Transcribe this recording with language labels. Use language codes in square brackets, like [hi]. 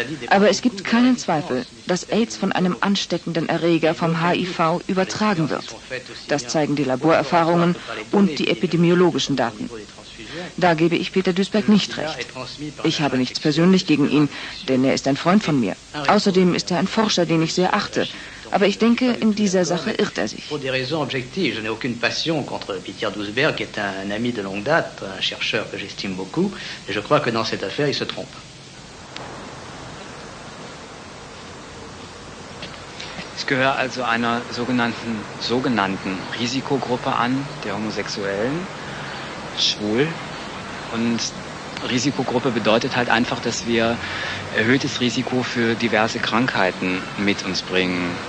[de] Aber es gibt keinen Zweifel, dass AIDS von einem ansteckenden Erreger vom HIV übertragen wird. Das zeigen die Laborerfahrungen und die epidemiologischen Daten. Da gebe ich Peter Duisberg nicht recht. Ich habe nichts persönlich gegen ihn, denn er ist ein Freund von mir. Außerdem ist er ein Forscher, den ich sehr achte. Aber ich denke, in dieser Sache irrt er sich. [fr] Je n'ai aucune passion contre Peter Duisberg, qui est un ami de longue date, un chercheur que j'estime beaucoup, et je crois que dans cette affaire, il se trompe. [de] Ich gehöre also einer sogenannten Risikogruppe an, der Homosexuellen, schwul. Und Risikogruppe bedeutet halt einfach, dass wir erhöhtes Risiko für diverse Krankheiten mit uns bringen.